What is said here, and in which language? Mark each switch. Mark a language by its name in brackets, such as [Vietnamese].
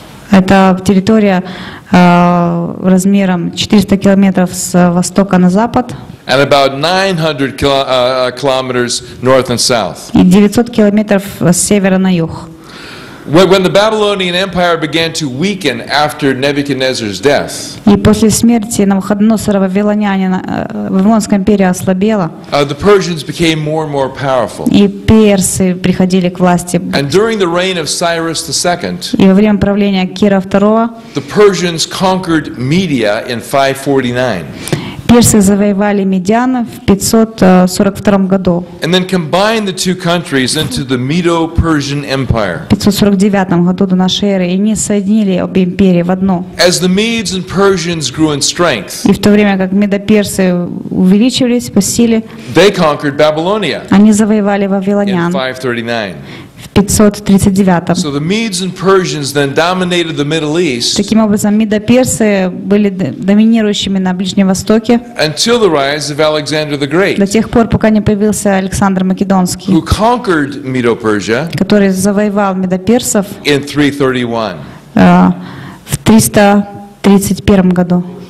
[Russian] Это территория размером 400 километров с востока на запад. [English] And about 900 kilometers north and south. [Russian] И 900 километров с севера на юг. [English] When the Babylonian Empire began to weaken after Nebuchadnezzar's death. [Russian] И после смерти Навуходоносора вавилонянина Вавилонская империя ослабела. [English] The Persians became more and more powerful. [Russian] И персы приходили к власти. [English] And during the reign of Cyrus II. [Russian] И во время правления Кира II. [English] The Persians conquered Media in 549. [Russian] Персы завоевали Медиана в 542 году. [English] And then combined the two countries into the Medo-Persian Empire. [Russian] В 549 году до нашей эры, и они соединили обе империи в одну. [English] As the Medes and Persians grew in strength. [Russian] И в то время как Медоперсы увеличивались по силе. [English] They conquered Babylonia. [Russian] Они завоевали Вавилонян. [English] In 539. So the Medes and Persians then dominated the Middle East. [Russian] Таким образом, Медоперсы были доминирующими на Ближнем Востоке. [English] Until the rise of Alexander the Great. [Russian] До тех пор, пока не появился Александр Македонский. [English] Who conquered Medo-Persia? [Russian] Который завоевал Медоперсов. [English] In 331. [Russian] В 331 году.